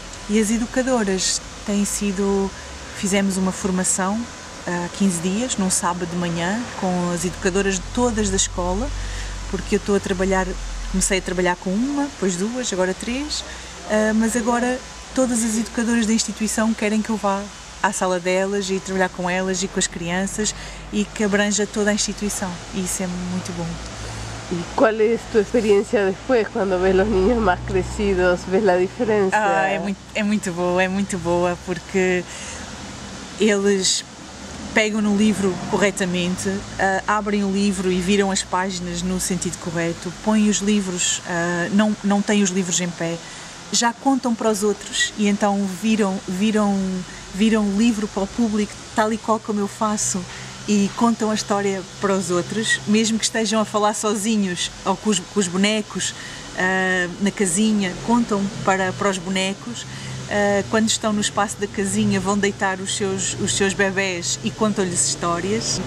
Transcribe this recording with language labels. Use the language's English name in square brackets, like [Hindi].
[Portuguese] E as educadoras têm sido, fizemos uma formação há 15 dias, num sábado de manhã, com as educadoras de todas da escola, porque eu estou a trabalhar, comecei a trabalhar com uma, depois duas, agora três, mas agora todas as educadoras da instituição querem que eu vá à sala delas e trabalhar com elas e com as crianças e que abranja toda a instituição, e isso é muito bom. [Spanish] ¿Y cuál es tu experiencia después cuando ves los niños más crecidos? ¿Ves la diferencia? Ah, es muy buena porque ellos pegan el libro correctamente, abren el libro y viran las páginas en el sentido correcto, ponen los libros, no tienen los libros en pé, ya contan para los otros y entonces viran el libro para el público tal y cual como yo faço. [Portuguese] E contam a história para os outros, mesmo que estejam a falar sozinhos ou com os bonecos na casinha, contam para os bonecos. Quando estão no espaço da casinha, vão deitar os seus bebés e contam-lhes histórias.